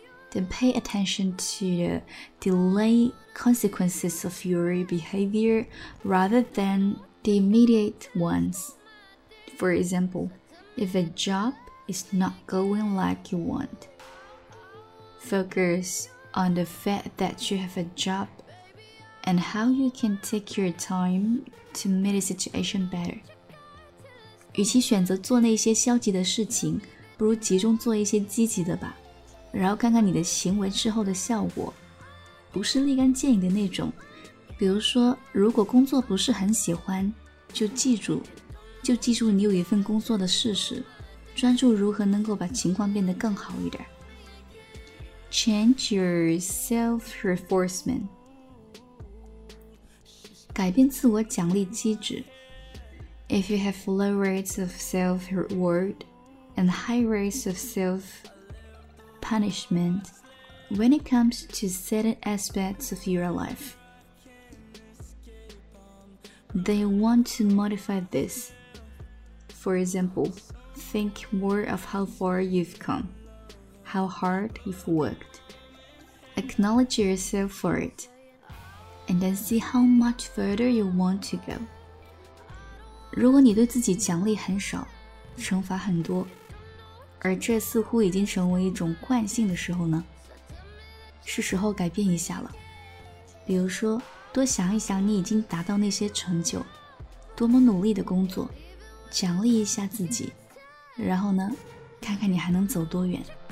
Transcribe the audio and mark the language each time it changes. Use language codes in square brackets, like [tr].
[en] Then pay attention to the delayed consequences of your behavior rather than the immediate ones. For example, if a job is not going like you want, focus on the fact that you have a job and how you can take your time to make the situation better. [zh] 与其选择做那些消极的事情，不如集中做一些积极的吧，然后看看你的行为之后的效果，不是立竿见影的那种。比如说，如果工作不是很喜欢，就记住你有一份工作的事实，专注如何能够把情况变得更好一点。 [en] Change your self-reinforcement， [zh] 改变自我奖励机制。 [en] If you have low rates of self-reward and high rates of self-punishment when it comes to certain aspects of your life, they want to modify this. For example, think more of how far you've come, how hard you've worked. Acknowledge yourself for it. And then see how much further you want to go. [zh] 如果你对自己奖励很少，惩罚很多，而这似乎已经成为一种惯性的时候呢？是时候改变一下了。比如说，多想一想你已经达到那些成就，多么努力的工作，奖励一下自己，然后呢，看看你还能走多远。